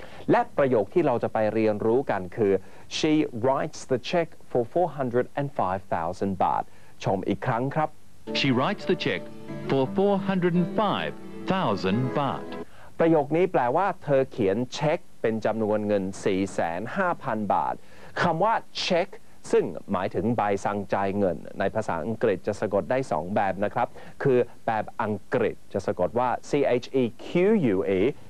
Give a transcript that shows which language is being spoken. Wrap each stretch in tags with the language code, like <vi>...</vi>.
<th>และประโยคที่เราจะไปเรียนรู้กันคือ</th> <en>She writes the check for 405,000 baht.</en> <th>ชมอีกครั้งครับ</th> <en>She writes the check for 405,000 baht.</en> <th>ประโยคนี้แปลว่าเธอเขียนเช็คเป็นจำนวนเงิน 450,000 บาทคำว่าเช็คซึ่งหมายถึงใบสั่งจ่ายเงินในภาษาอังกฤษจะสะกดได้2แบบนะครับคือแบบอังกฤษจะสะกดว่า CHEQUE</th>